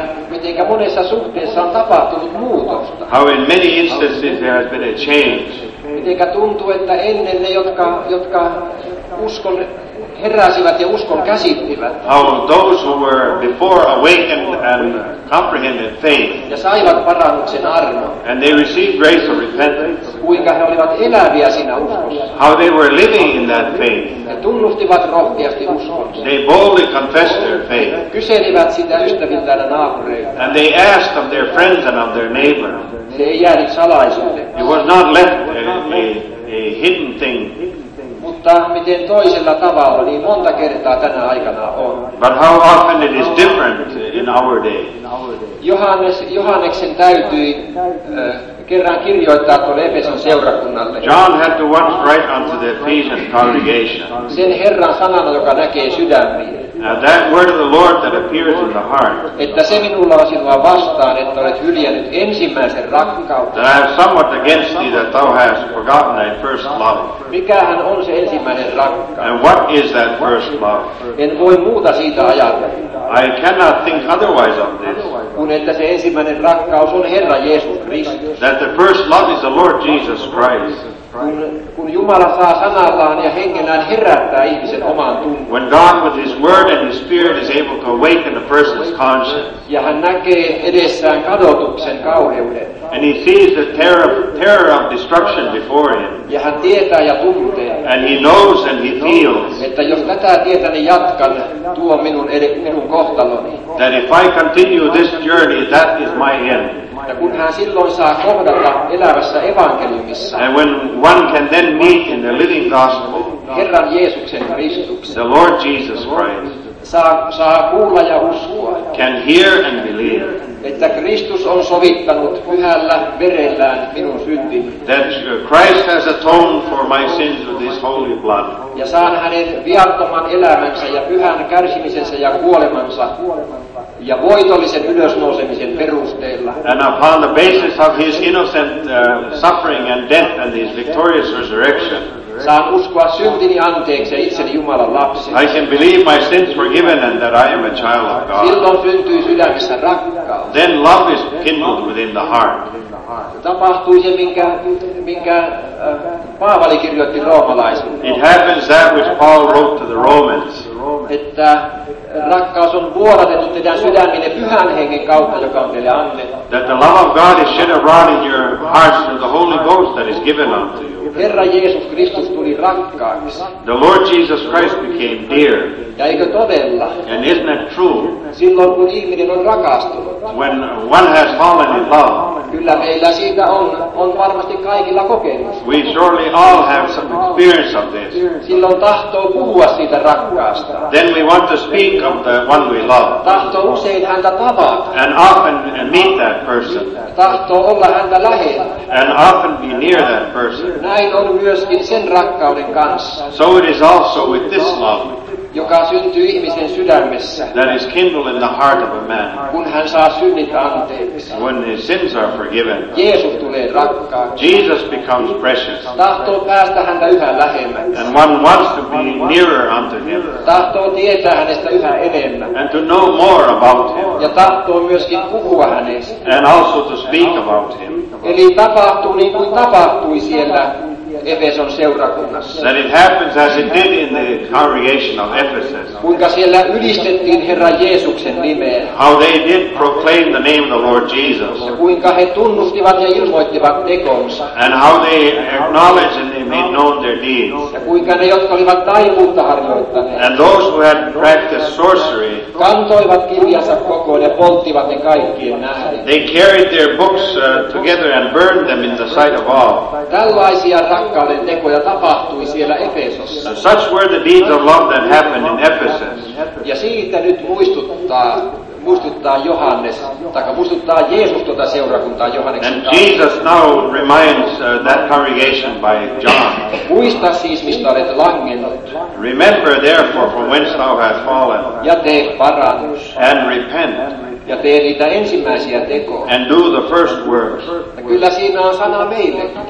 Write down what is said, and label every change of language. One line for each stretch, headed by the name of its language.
Finnish: Mitenkä monessa suhteessa on tapahtunut muutosta.
English: How in many instances there has been a change.
Finnish: Mitenkä tuntuu, että ennen ne, jotka uskon heräsivät ja uskon käsittivät.
English: How those who were before awakened and comprehended faith.
Finnish: Ja saivat parannuksen armon.
English: And they received grace of repentance.
Finnish: Kuinka he olivat eläviä siinä uskossa.
English: How they were living in that faith.
Finnish: He tunnustivat rohkeasti uskon.
English: They boldly confessed their faith.
Finnish: Kyselivät sitä ystäviltään ja naapureilta.
English: And they asked of their friends and of their neighbor.
Finnish: Se ei jäänyt salaisuuteen.
English: It was not left a hidden thing.
Finnish: Mutta miten toisella tavalla niin monta kertaa tänä aikana on.
English: But how often it is different in our day.
Finnish: Johanneksen täytyi kerran kirjoittaa tuolle Efeson seurakunnalle.
English: John had to once write unto the Ephesian congregation.
Finnish: Sen Herran sanana, joka näkee sydämiin.
English: Now that word of the Lord that appears in the heart.
Finnish: Että se minulla on sinua vastaan, että olet hyljännyt ensimmäisen rakkauden.
English: That I have somewhat against thee that thou hast forgotten thy first love.
Finnish: Mikähän on se ensimmäinen rakkaus?
English: And what is that first love?
Finnish: En voi muuta siitä ajatella.
English: I cannot think otherwise of this.
Finnish: Kun että se ensimmäinen rakkaus on Herra Jeesus Kristus.
English: That the first love is the Lord Jesus Christ.
Finnish: Kun Jumala saa sanallaan ja hengellään herättää ihmisen omaan tunteeseen.
English: When God with his word and his spirit is able to awaken a person's conscience.
Finnish: Ja hän näkee edessään kadotuksen kauheuden.
English: And he sees the terror of destruction before him.
Finnish: Ja hän tietää ja tuntee.
English: And he knows and he feels.
Finnish: Että jos tätä tietäni jatkan, tuo minun kohtaloni.
English: That if I continue this journey, that is my end.
Finnish: Ja kun hän silloin saa kohdata elävässä evankeliumissa.
English: And when one can then meet in the living gospel.
Finnish: Herran Jeesuksen Kristuksen.
English: The Lord Jesus Christ.
Finnish: Saa kuulla ja uskoa.
English: Can hear and believe.
Finnish: Että Kristus on sovittanut pyhällä verellään minun syntini.
English: That Christ has atoned for my sins with his holy blood.
Finnish: Ja saan hänen viattoman elämänsä ja pyhän kärsimisensä ja kuolemansa. Ja voitollisen ylösnousemisen perusteella.
English: And upon the basis of his innocent suffering and death and his victorious resurrection.
Finnish: Saan uskoa syntini anteeksi ja itseni Jumalan lapsi.
English: I can believe my sins were forgiven and that I am a child of God.
Finnish: Silloin syntyi sydämessä rakkaus.
English: Then love is kindled within the heart.
Finnish: Tapahtui se, minkä Paavali kirjoitti roomalaisille.
English: It happens that which Paul wrote to the Romans.
Finnish: Että rakkaus on vuodatettu teidän sydäminen pyhän hengen kautta, joka on teille annettu.
English: That the love of God is shed abroad in your hearts through the Holy Ghost that is given unto you.
Finnish: Herra Jeesus Kristus tuli rakkaaksi.
English: The Lord Jesus Christ became dear.
Finnish: Ja eikö todella?
English: And isn't that true?
Finnish: Silloin kun ihminen on rakastunut.
English: When one has fallen in love.
Finnish: Kyllä meillä siitä on varmasti kaikilla kokemus.
English: We surely all have some experience of this.
Finnish: Silloin tahtoo puhua siitä rakkaasta.
English: Then we want to speak of the one we love.
Finnish: Tahtoo usein häntä tavata.
English: And often meet that person.
Finnish: Tahtoo olla häntä lähellä.
English: And often be near that person.
Finnish: Näin on myöskin sen rakkauden kanssa.
English: So it is also with this love.
Finnish: Joka syntyy ihmisen sydämessä.
English: That is kindled in the heart of a man.
Finnish: Kun hän saa synnit anteeksi.
English: When his sins are forgiven.
Finnish: Jeesus tulee rakkaaksi.
English: Jesus becomes precious.
Finnish: Tahtoo päästä häntä yhä lähemmäksi.
English: And one wants to be nearer unto him.
Finnish: Tahtoo tietää hänestä yhä enemmän.
English: And to know more about him.
Finnish: Ja tahtoo myöskin puhua hänestä.
English: And also to speak about him.
Finnish: Eli tapahtuu niin kuin tapahtui siellä Efeson seurakunnassa.
English: That it happens as it did in the congregation of Ephesus.
Finnish: Kuinka siellä ylistettiin Herra Jeesuksen nimeä.
English: How they did proclaim the name of the Lord Jesus.
Finnish: Ja kuinka he tunnustivat ja ilmoittivat tekonsa.
English: And how they acknowledged and they made known their deeds.
Finnish: Ja kuinka ne, jotka olivat taivuutta harjoittaneet.
English: And those who had practiced sorcery.
Finnish: Kantoivat kirjansa kokoon ja polttivat ne kaikkien nähden.
English: They carried their books together and burned them in the sight of all.
Finnish: Tällaisia rakkauden tekoja tapahtui siellä Efesossa.
English: And such were the deeds of love that happened in Ephesus.
Finnish: Ja siitä nyt muistuttaa Johannes, taikka muistuttaa Jeesus tuota seurakuntaa Johanneksen.
English: And Jesus now reminds that congregation by John.
Finnish: Muista siis, mistä olet langennut.
English: Remember therefore from whence thou hast fallen.
Finnish: Ja tee parannus.
English: And repent.
Finnish: Ja tee niitä ensimmäisiä tekoja.
English: And do the first works.
Finnish: Ja kyllä siinä on sana meille.